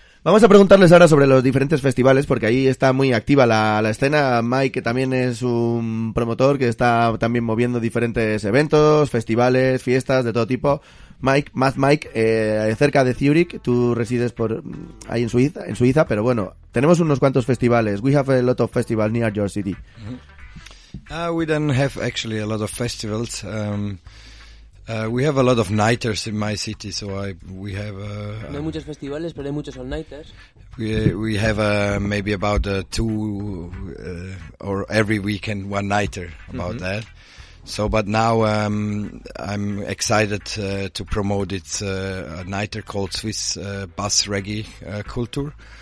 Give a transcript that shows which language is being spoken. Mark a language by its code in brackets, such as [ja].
[es] Vamos a preguntarles ahora sobre los diferentes festivales, porque ahí está muy activa la escena. Mike, que también es un promotor, que está también moviendo diferentes eventos, festivales, fiestas de todo tipo. Mike, Math Mike, cerca de Zurich, tú resides por ahí en Suiza, pero bueno, tenemos unos cuantos festivales. [en] We have a lot of festivals near your city. We don't have actually a lot of festivals. We have a lot of nighters in my city, so we have. [es] No hay muchos festivales, pero hay muchos all nighters. [en] We have maybe about two or every weekend one nighter about mm-hmm. that. So, but now I'm excited to promote it's a nighter called Swiss Bass Reggae Kultur.